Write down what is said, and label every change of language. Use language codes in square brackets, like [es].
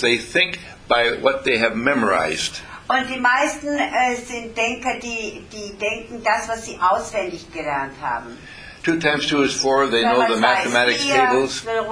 [en] They think by what they have memorized. [de] Und die meisten sind Denker, die denken das, was sie auswendig gelernt haben. [en] 2 times 2 is 4, they know the mathematics tables.